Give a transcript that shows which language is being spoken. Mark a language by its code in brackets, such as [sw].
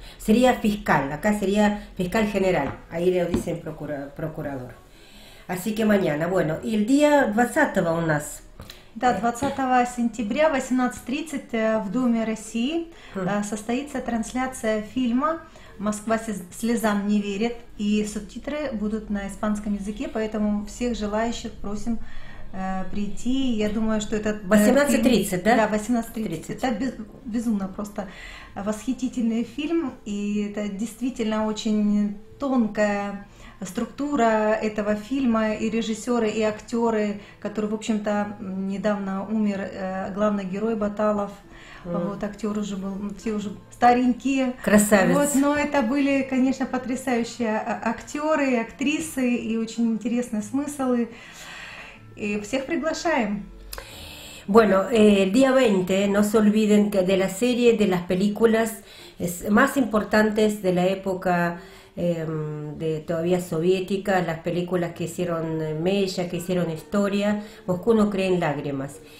[es] Sería fiscal, acá sería fiscal general, ahí le dicen procurador. Así que mañana, bueno, y el día 20 [ru] у нас. Да, 20 сентября, 18:30 в Думе России состоится трансляция фильма «Москва слезам не верит», и субтитры будут на испанском языке, поэтому всех желающих просим прийти. Я думаю, что это 18:30, да? Да, 18:30. Это безумно просто восхитительный фильм, и это действительно очень тонкая структура этого фильма, и режиссеры, и актеры, который, в общем-то, недавно умер, главный герой Баталов. Вот актер уже был, все уже старенькие. Красавец. Вот, но это были, конечно, потрясающие актеры и актрисы, и очень интересные смыслы. Y всех приглашаем. [es] Bueno, el día 20, no se olviden que de la serie, de las películas más importantes de la época de todavía soviética, las películas que hicieron mella, que hicieron historia, Moscú no cree en lágrimas.